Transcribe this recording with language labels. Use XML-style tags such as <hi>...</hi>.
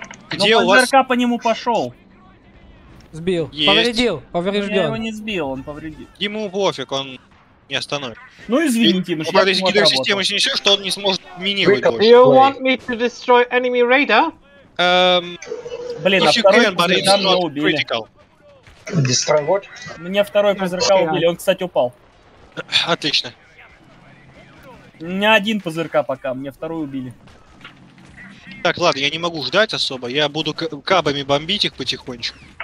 <ru>Где но ПЗРК вас... по нему пошел. Сбил. Есть. Повредил. Поврежден. Я его не сбил, он повредил. Ему пофиг, он не остановит. Ну извините, но что-то если гидросистема снесет, что он не сможет минировать больше.</ru> <en>Do you want me to destroy enemy radar?</en> <ru>Блин, а второй ПЗРК мы убили.</ru> <en>Critical. Destroy what?</en> <ru>Мне второй ПЗРК убили, он, кстати, упал. Отлично. У меня один ПЗРК пока, мне второй убили. Так, ладно, я не могу ждать особо, я буду кабами бомбить их потихонечку.</ru>